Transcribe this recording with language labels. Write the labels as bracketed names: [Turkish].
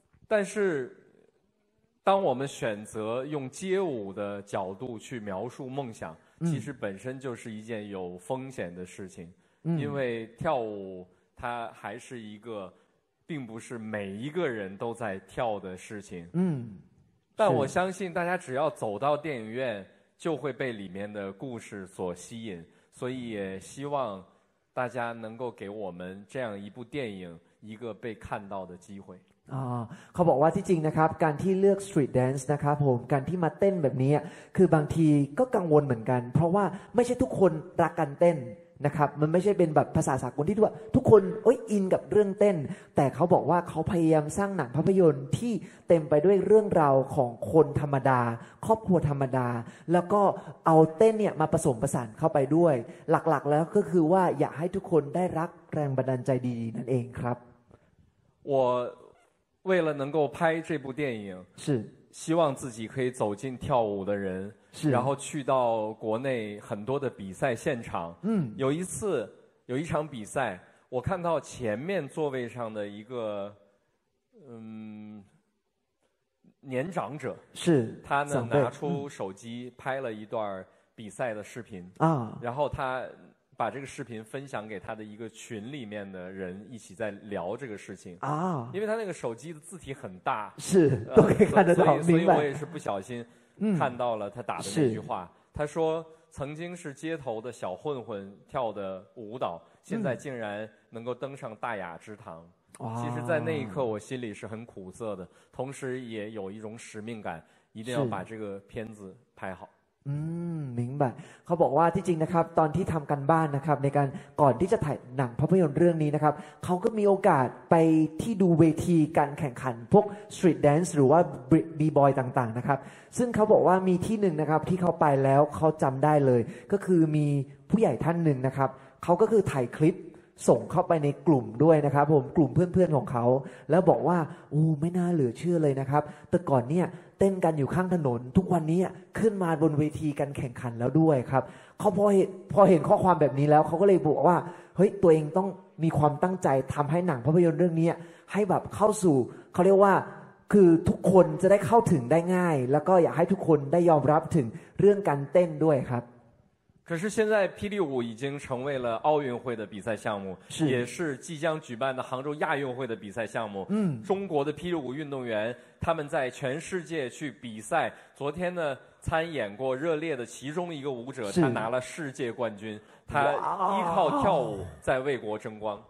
[Chinese] 但是当我们选择用街舞的角度去描述梦想，其实本身就是一件有风险的事情，因为跳舞它还是一个并不是每一个人都在跳的事情。但我相信大家只要走到电影院就会被里面的故事所吸引，所以也希望大家能够给我们这样一部电影一个被看到的机会。 [Thai] เขาบอกว่าที่จริงนะครับการที่เลือกสตรีทแดนซ์นะครับผมการที่มาเต้นแบบนี้คือบางทีก็กังวลเหมือนกันเพราะว่าไม่ใช่ทุกคนรักการเต้นนะครับมันไม่ใช่เป็นแบบภาษาสากลที่ว่าทุกคนเอ้ยอินกับเรื่องเต้นแต่เขาบอกว่าเขาพยายามสร้างหนังภาพยนตร์ที่เต็มไปด้วยเรื่องราวของคนธรรมดาครอบครัวธรรมดาแล้วก็เอาเต้นเนี่ยมาผสมผสานเข้าไปด้วยหลักๆแล้วก็คือว่าอยากให้ทุกคนได้รักแรงบันดาลใจดีๆนั่นเองครับ [Chinese] 我为了能够拍这部电影是希望自己可以走进跳舞的人是然后去到国内很多的比赛现场有一次有一场比赛我看到前面座位上的一个年长者是他呢拿出手机拍了一段比赛的视频啊然后他把这个视频分享给他的一个群里面的人一起在聊这个事情啊因为他那个手机的字体很大是都可以看得到所以我也是不小心看到了他打的那句话他说曾经是街头的小混混跳的舞蹈现在竟然能够登上大雅之堂其实在那一刻我心里是很苦涩的同时也有一种使命感一定要把这个片子拍好明白 [Thai] เขาบอกว่าที่จริงนะครับตอนที่ทำการบ้านนะครับในการก่อนที่จะถ่ายหนังภาพยนตร์เรื่องนี้นะครับเขาก็มีโอกาสไปที่ดูเวทีการแข่งขันพวกสตรีทแดนซ์หรือว่า บีบอยต่างๆนะครับซึ่งเขาบอกว่ามีที่หนึ่งนะครับที่เขาไปแล้วเขาจำได้เลยก็คือมีผู้ใหญ่ท่านหนึ่งนะครับเขาก็คือถ่ายคลิปส่งเข้าไปในกลุ่มด้วยนะครับผมกลุ่มเพื่อนๆของเขาแล้วบอกว่าอู้ไม่น่าเหลือเชื่อเลยนะครับแต่ก่อนเนี่ยเต้นกันอยู่ข้างถนนทุกวันนี้ขึ้นมาบนเวทีการแข่งขันแล้วด้วยครับเขา พอเห็นข้อความแบบนี้แล้วเขาก็เลยบอกว่าเฮ้ยตัวเองต้องมีความตั้งใจทำให้หนังภาพยนตร์เรื่องนี้ให้แบบเข้าสู่เขาเรียกว่าคือทุกคนจะได้เข้าถึงได้ง่ายแล้วก็อยากให้ทุกคนได้ยอมรับถึงเรื่องการเต้นด้วยครับ [Chinese] 可是现在霹雳舞已经成为了奥运会的比赛项目是也是即将举办的杭州亚运会的比赛项目中国的霹雳舞运动员他们在全世界去比赛昨天呢参演过热烈的其中一个舞者他拿了世界冠军他依靠跳舞在为国争光